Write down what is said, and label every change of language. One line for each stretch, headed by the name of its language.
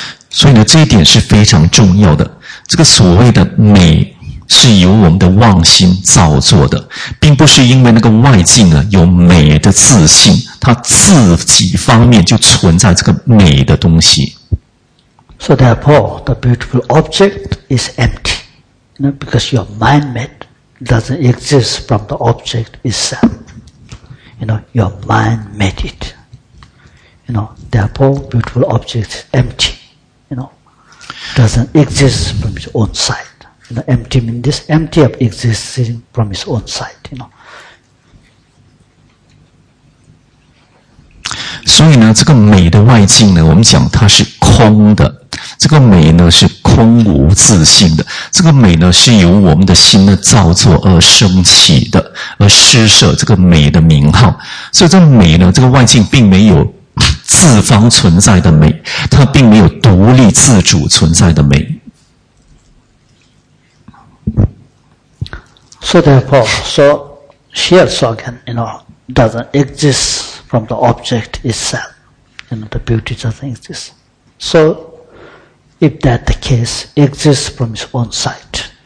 Chinese: 所以呢，这一点是非常重要的。这个所谓的美是由我们的妄心造作的，并不是因为那个外境啊有美的自信，它自己方面就存在这个美的东西。
English: So therefore, the beautiful object is empty, you know, because your mind made doesn't exist from the object itself. You know, your mind made it. You know, therefore, beautiful object is empty. You know, doesn't exist from its own side. You know, empty means this empty of existing from his own side, you know.
Chinese: 所以呢，这个美的外境呢，我们讲它是空的。这个美呢是空无自性的。这个美呢是由我们的心的造作而升起的，而施舍这个美的名号。所以这个美呢，这个外境并没有自方存在的美，它并没有独立自主存在的美。
English: So therefore, so here so again, you know, doesn't exist from the object itself. You know, the beauty doesn't exist. So, if that's the case, exists from its own sight.